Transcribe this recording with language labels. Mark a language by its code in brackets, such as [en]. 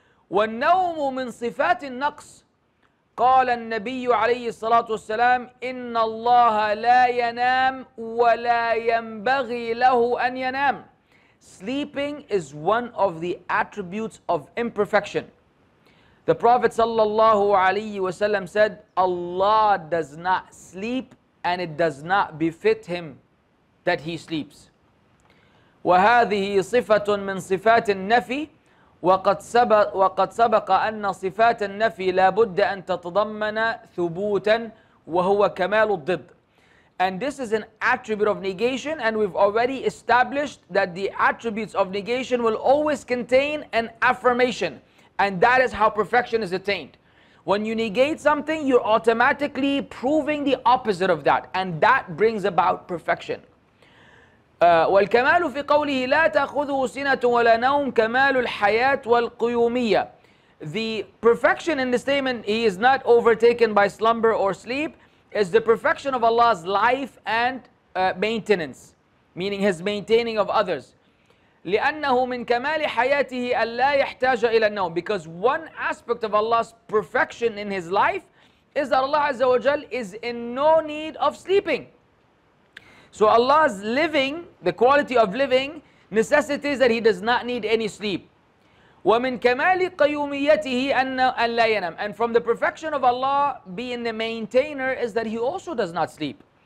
[ar] وَالنَّوْمُ مِنْ صِفَاتِ النَّقْصِ. قَالَ النَّبِيُّ عَلَيْهِ الصَّلَاةُ وَالسَّلَامُ إِنَّ اللَّهَ لَا يَنَامْ وَلَا يَنْبَغِي لَهُ أَنْ يَنَامْ. [en] Sleeping is one of the attributes of imperfection. The Prophet sallallahu alayhi wasallam said, Allah does not sleep, and it does not befit him that he sleeps. [ar] وهذه صفة من صفات النفي وقد سبق أن صفات النفي لابد أن تتضمن ثبوتا وهو كمال الضد. [en] And this is an attribute of negation, and we've already established that the attributes of negation will always contain an affirmation, and that is how perfection is attained. When you negate something, you're automatically proving the opposite of that, and that brings about perfection. [ar] وَالْكَمَالُ فِي قَوْلِهِ لَا تَأْخُذُهُ سِنَةٌ وَلَا نَوْمٌ كَمَالُ الْحَيَاةِ وَالْقُيُومِيَّةِ. [en] The perfection in the statement, he is not overtaken by slumber or sleep, is the perfection of Allah's life and maintenance, meaning His maintaining of others. [ar] لأنه من كمال حياته ألا يحتاج إلى النوم. [en] Because one aspect of Allah's perfection in His life is that Allah Azza wa Jal is in no need of sleeping. So Allah's living, the quality of living, necessitates that He does not need any sleep. [ar] ومن كمال قيوميته أن لا ينام. [en] And from the perfection of Allah being the maintainer is that He also does not sleep.